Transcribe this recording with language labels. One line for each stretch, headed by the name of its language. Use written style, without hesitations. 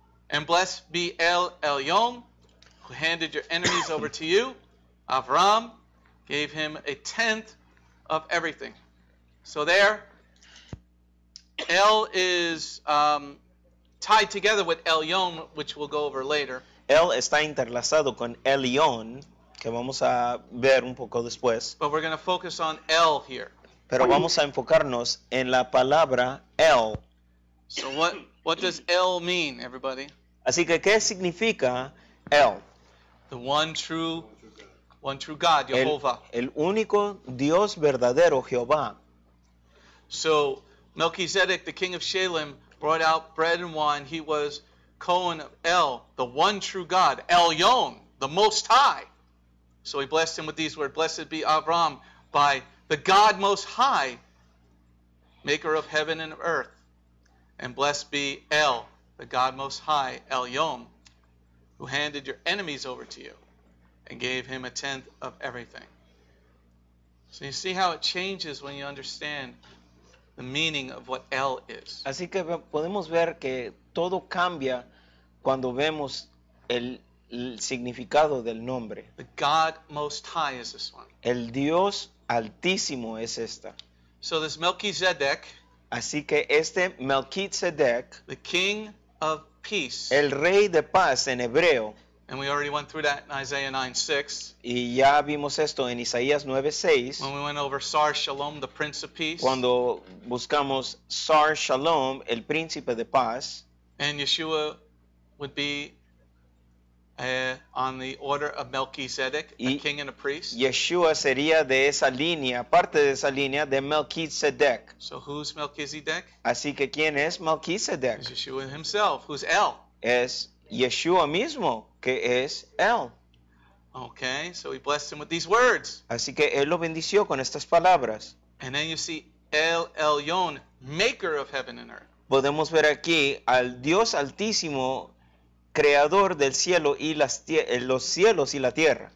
English: And blessed be El Elyon, who handed your enemies over to you. Avram gave him a tenth of everything. So there, El is tied together with Elyon, which we'll go over later.
Spanish: El está interlazado con Elyon, que vamos a ver un poco después.
English: But we're going to focus on El here.
Spanish: Pero vamos a enfocarnos en la palabra El.
English: So what does El mean, everybody?
Spanish: Así que, ¿qué significa El?
English: The one true God, Jehovah.
Spanish: El único Dios verdadero, Jehová.
English: So Melchizedek, the king of Shalem, brought out bread and wine. He was Cohen of El, the one true God, Elyon, the Most High. So he blessed him with these words, "Blessed be Avram by the God Most High, maker of heaven and earth. And blessed be El, the God Most High, Elyon, who handed your enemies over to you and gave him a tenth of everything." So you see how it changes when you understand the meaning of what El is.
Spanish: Así que podemos ver que todo cambia cuando vemos el significado del nombre.
English: The God Most High is this one.
Spanish: El Dios Altísimo es esta.
English: So this Melchizedek,
Spanish: así que este Melchizedek,
English: the King of Peace,
Spanish: el Rey de Paz en hebreo,
English: and we already went through that in Isaiah 9:6.
Spanish: Y ya vimos esto en Isaías 9:6.
English: When we went over Sar Shalom, the Prince of Peace.
Spanish: Cuando buscamos Sar Shalom, el Príncipe de Paz.
English: And Yeshua would be on the order of Melchizedek, a king and a priest.
Spanish: Yeshua sería de esa línea, parte de esa línea de Melchizedek.
English: So who's Melchizedek?
Spanish: Así que ¿quién es Melchizedek?
English: It's Yeshua himself, who's El.
Spanish: Es Yeshua mismo, que es El.
English: Okay, so he blessed him with these words.
Spanish: Así que él lo bendició con estas palabras.
English: And then you see El Elyon, maker of heaven and earth.
Spanish: Podemos ver aquí al Dios Altísimo, creador del cielo y los cielos y la tierra.